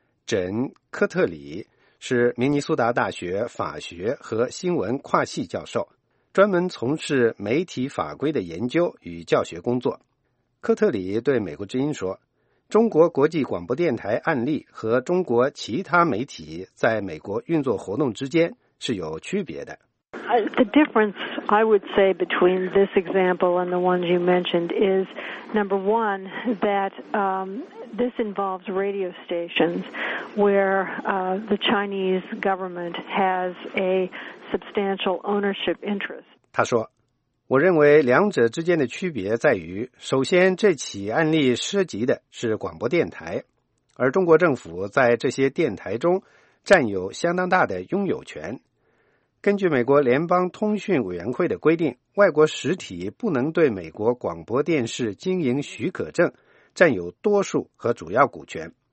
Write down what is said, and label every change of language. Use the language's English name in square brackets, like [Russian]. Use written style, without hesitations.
[Chinese] 枕·科特里是明尼苏达大学法学和新闻跨系教授，专门从事媒体法规的研究与教学工作。科特里对美国之音说，中国国际广播电台案例和中国其他媒体在美国运作活动之间是有区别的。 [English] The difference, I would say, between this example and the ones you mentioned is, number one, that, this involves radio stations where, the Chinese government has a substantial ownership interest. [Chinese] 他说，我认为两者之间的区别在于，首先这起案例涉及的是广播电台，而中国政府在这些电台中占有相当大的拥有权。根据美国联邦通讯委员会的规定，外国实体不能对美国广播电视经营许可证占有多数和主要股权。